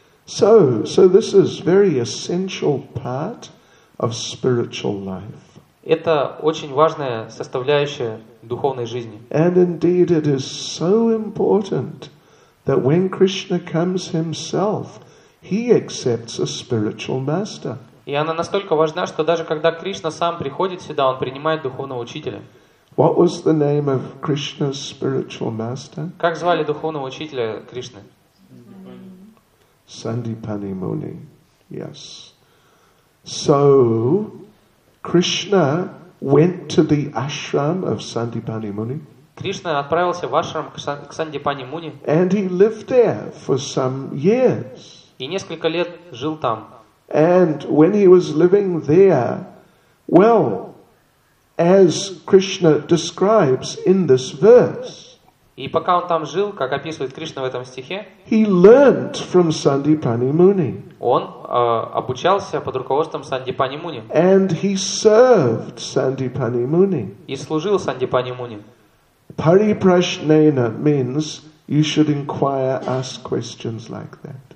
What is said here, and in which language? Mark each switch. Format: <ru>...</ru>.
<en>So this is very essential part of spiritual life.</en> <ru>Это очень важная составляющая духовной жизни.</ru> <en>And indeed it is so important that when Krishna comes himself, he accepts a spiritual master.</en> <ru>И она настолько важна, что даже когда Кришна сам приходит сюда, он принимает духовного учителя.</ru> <en>What was the name of Krishna's spiritual master?</en> <ru>Как звали духовного учителя Кришны?</ru> <en>Сандипани Муни. Yes. So Krishna went to the ashram of Сандипани Муни.</en> <ru>Кришна отправился в ашрам к Сандипани Муни.</ru> <en>And he lived there for some years.</en> <ru>И несколько лет жил там.</ru> <en>And when he was living there, well, as Krishna describes in this verse.</en> <ru>И пока он там жил, как описывает Кришна в этом стихе,</ru> <en>he learned from Сандипани Муни.</en> <ru>Он обучался под руководством Сандипани Муни.</ru> <en>And he served Сандипани Муни.</en> <ru>И служил Сандипани Муни.</ru> <en>Парипрашнена means you should inquire, ask questions like that.</en>